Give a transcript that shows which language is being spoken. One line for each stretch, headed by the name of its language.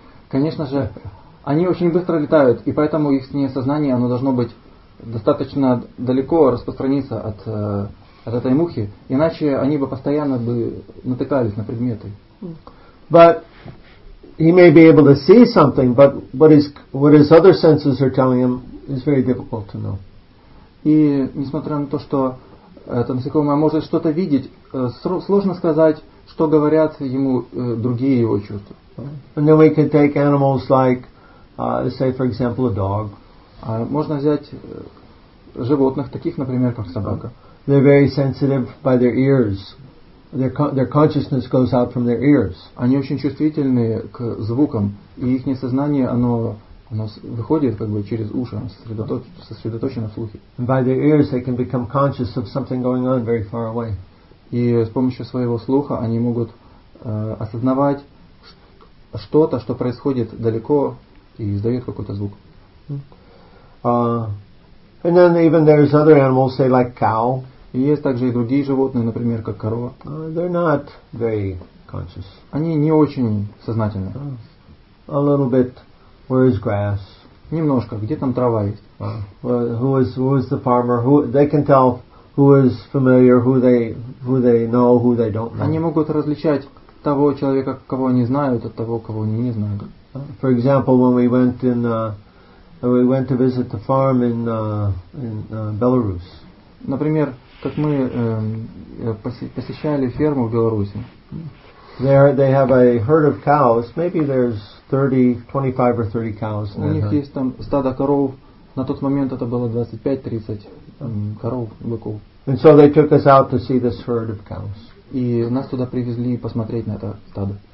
Russian: Конечно же, они очень быстро летают, и поэтому их сознание, оно должно быть достаточно далеко распространиться от от этой мухи, иначе они бы постоянно бы натыкались на предметы.
English: But he may be able to see something, but what his other senses are telling him is very difficult to know.
Russian: И несмотря на то, что это насекомое может что-то видеть, сложно сказать, что говорят ему другие его чувства.
English: And then we can take animals like, say, for example, a dog.
Russian: Можно взять животных таких, например, как собака.
English: They're very sensitive by their ears. Their consciousness goes out from their ears.
Russian: Они очень чувствительны к звукам, и их сознание, оно выходит как бы через уши, сосредоточено в слухе.
English: And by their ears, they can become conscious of something going on very far away.
Russian: И с помощью своего слуха они могут осознавать что-то, что происходит далеко и издает какой-то звук.
English: And then even there's other animals, say like cow.
Russian: И есть также и другие животные, например, как корова.
English: They're not very conscious.
Russian: Они не очень сознательны.
English: A little bit, where is grass?
Russian: Немножко, где там трава есть?
English: Who is the farmer? They can tell who is familiar, who they know, who they don't know.
Russian: Они могут различать того человека, кого они знают, от того, кого они не знают.
English: For example, when we went to visit the farm in Belarus.
Russian: Например, как мы посещали ферму в Беларуси.
English: There they have a herd of cows. Maybe there's 25 or 30 cows.
Russian: У них есть там стадо коров. На тот момент это было 25-30 коров, быков.
English: And so they took us out to see this herd of cows.
Russian: И нас туда привезли посмотреть на это стадо.